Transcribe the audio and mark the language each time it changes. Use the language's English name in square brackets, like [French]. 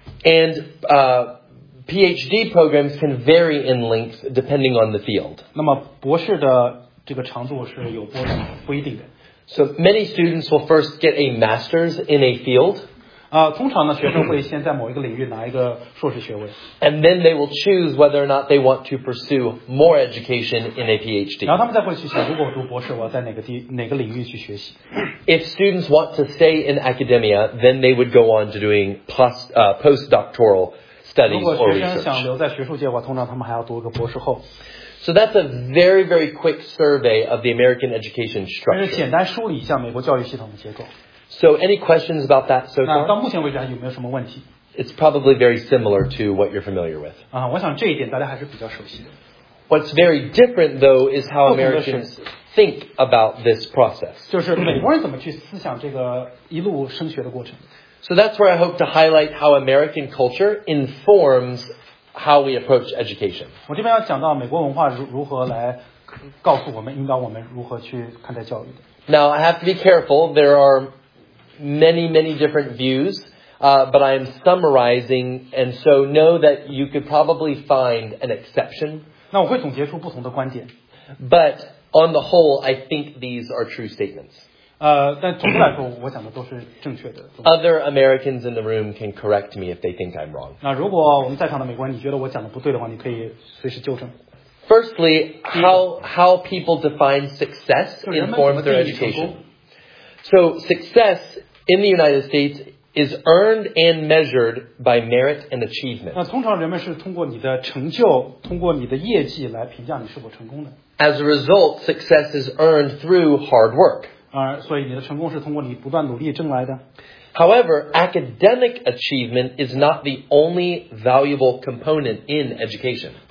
[English] And PhD programs can vary in length depending on the field. [Chinese] 那么博士的这个长度是有波动，不一定的。 [English] So many students will first get a master's in a field. [Chinese] 通常呢，学生会先在某一个领域拿一个硕士学位。 [English] And then they will choose whether or not they want to pursue more education in a PhD. [Chinese] 然后他们再会去想，如果我读博士，我要在哪个领域去学习。 [English] If students want to stay in academia, then they would go on to doing postdoctoral studies or research. [Chinese] 如果学生想留在学术界的话，通常他们还要读一个博士后。 [English] So that's a very, very quick survey of the American education structure. [Chinese] 但是简单梳理一下美国教育系统的结构。 [English] So any questions about that so far? [Chinese] 那到目前为止还有没有什么问题? [English] It's probably very similar to what you're familiar with. [Chinese] 我想这一点大家还是比较熟悉的。 [English] What's very different, though, is how Americans think about this process. [Chinese] 就是美国人怎么去思想这个一路升学的过程。 [English] So that's where I hope to highlight how American culture informs how we approach education. [Chinese] 我这边要讲到美国文化如何来告诉我们，引导我们如何去看待教育的。 [English] Now, I have to be careful. There are many, many different views, but I am summarizing, and so know that you could probably find an exception. [Chinese] 那我会总结出不同的观点。 [English] But on the whole, I think these are true statements. [Chinese] 但总的来说，我讲的都是正确的。 [English] Other Americans in the room can correct me if they think I'm wrong. [Chinese] 那如果我们在场的美国人，你觉得我讲的不对的话，你可以随时纠正。 [English] Firstly, how people define success informs their education. So success in the United States is earned and measured by merit and achievement. [Chinese] 那通常人们是通过你的成就，通过你的业绩来评价你是否成功的。 [English] As a result, success is earned through hard work. [Chinese] 所以你的成功是通过你不断努力挣来的。 [English] However, academic achievement is not the only valuable component in education.